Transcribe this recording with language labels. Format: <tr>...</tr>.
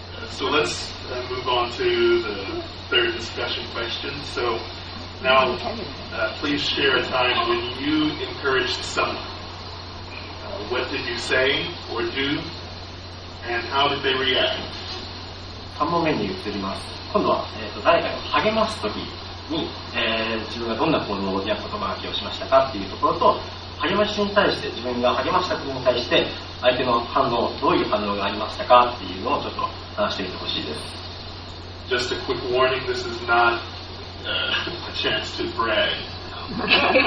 <en>So let's move on to the third discussion question. So now, please share a time when you encouraged someone. What did you say or do, and how did they react?</en> <ja>3問目に移ります。今度は、誰かを励ますときに、自分がどんな行動や言葉書きをしましたかっていうところと、励ましに対して、自分が励ましたことに対して、相手の反応、どういう反応がありましたかっていうのをちょっと話してみてほしいです。</ja> <en>Just a quick warning, this is not a chance to brag.</en>